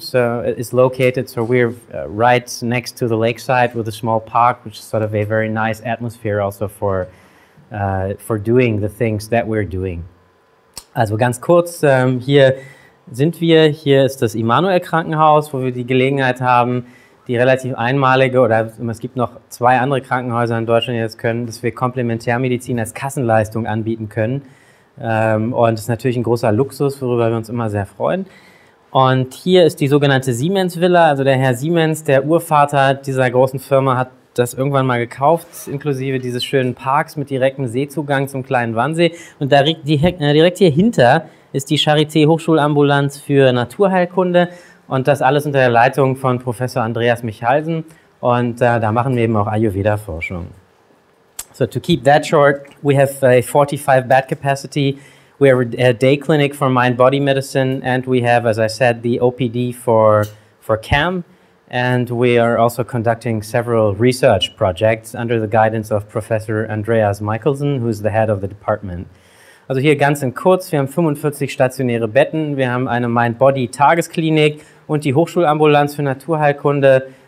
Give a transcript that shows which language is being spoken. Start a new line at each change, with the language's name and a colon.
English: So it's located, so we're right next to the lakeside with a small park, which is sort of a very nice atmosphere also for doing the things that we're doing.
German: Also ganz kurz, hier sind wir, hier ist das Emanuel Krankenhaus, wo wir die Gelegenheit haben, die relativ einmalige, oder es gibt noch zwei andere Krankenhäuser in Deutschland, die das können, dass wir Komplementärmedizin als Kassenleistung anbieten können. Und das ist natürlich ein großer Luxus, worüber wir uns immer sehr freuen. Und hier ist die sogenannte Siemens Villa, also der Herr Siemens, der Urvater dieser großen Firma, hat das irgendwann mal gekauft, inklusive dieses schönen Parks mit direktem Seezugang zum kleinen Wannsee. Und direkt hier hinter ist die Charité Hochschulambulanz für Naturheilkunde und das alles unter der Leitung von Professor Andreas Michalsen. Und da machen wir eben auch Ayurveda-Forschung.
English: So to keep that short, we have a 45-bed capacity. We have a day clinic for mind-body medicine, and we have, as I said, the OPD for CAM. And we are also conducting several research projects under the guidance of Professor Andreas Michalsen, who is the head of the department.
German: Also here, ganz in kurz, wir haben 45 stationäre Betten, wir haben eine Mind-Body-Tagesklinik und die Hochschulambulanz für Naturheilkunde.